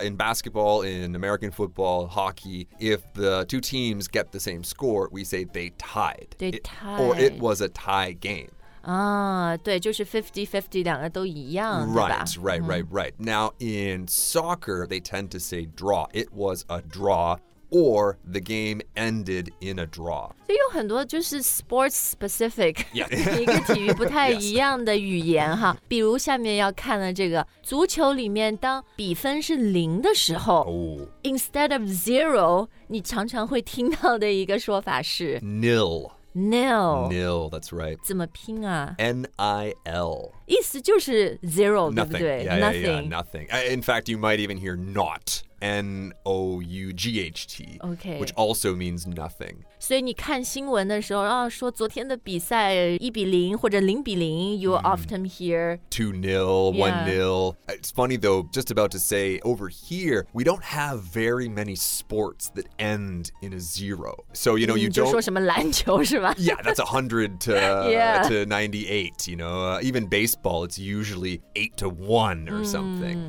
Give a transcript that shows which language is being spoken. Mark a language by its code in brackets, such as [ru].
[en] if、in basketball, in American football, hockey, if the two teams get the same score, we say they tied. They tied. Or it was a tie game. [zh] Ah, 对就是 50-50 两个都一样 [en] Right, [zh] 对吧 [en] right, right, right.、Mm. Now, in soccer, they tend to say draw. It was a draw. Or the game ended in a draw. [zh] 所以有很多就是 [en] sports specific、 yeah. [zh] 一个体育不太一样的语言哈。比如下面要看的这个足球里面当比分是零的时候、 oh. [en] instead of zero [zh] 你常常会听到的一个说法是 [en] nil Nil Nil, that's right [zh] 怎么拼啊 [en] N-I-L [zh] 意思就是 zero [en] Nothing [zh] 对不对 [en] yeah, yeah, yeah, nothing In fact, you might even hear not N-O-U-G-H-T OK Which also means nothing [zh] 所以你看新闻的时候、哦、说昨天的比赛1比0或者0比0 You、mm. [en] often hear 2-0 1-0、 yeah. It's funny though Just about to say Over here We don't have very many sports That end in a zero So you know you [zh] 就说什么篮球是吧 [en] Yeah, that's 100 to,、 yeah. to 98 You know、even baseball It's usually 8-1 or something、